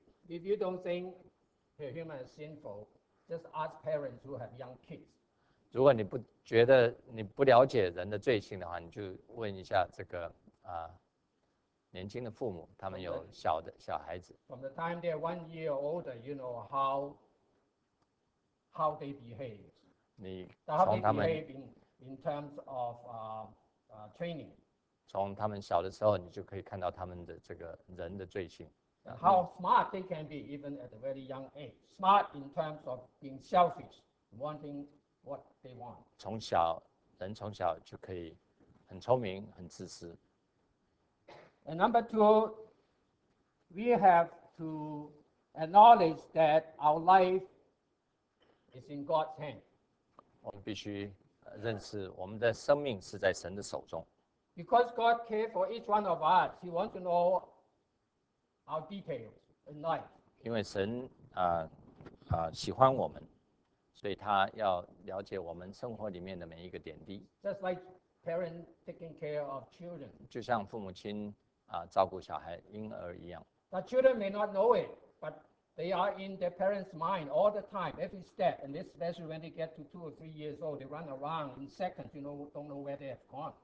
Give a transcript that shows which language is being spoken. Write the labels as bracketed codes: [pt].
[en] If you don't think a human is sinful, just ask parents who have young kids. [zh] 如果你不觉得你不了解人的罪性的话，你就问一下这个年轻的父母，他们有小的小孩子。 [en] From the time they're 1 year older, you know how they behave. [zh] 你从他们 [en] in terms of training. [zh] 从他们小的时候，你就可以看到他们的这个人的罪性。 [en] How smart they can be even at a very young age. Smart in terms of being selfish, wanting. What they want. [zh] 从小，人从小就可以很聪明，很自私。 [en] And number two, we have to acknowledge that our life is in God's hand. [zh] 我们必须认识我们的生命是在神的手中。 [en] Because God cares for each one of us, He wants to know our details in life. [zh] 因为神喜欢我们。所以他要了解我们生活里面的每一个点滴。 [en] Just like parents taking care of children. [zh] 就像父母亲照顾小孩婴儿一样。 [en] The children may not know it, but they are in their parents' mind all the time, every step. And especially when they get to 2 or 3 years old, they run around in seconds, you know, don't know where they have gone.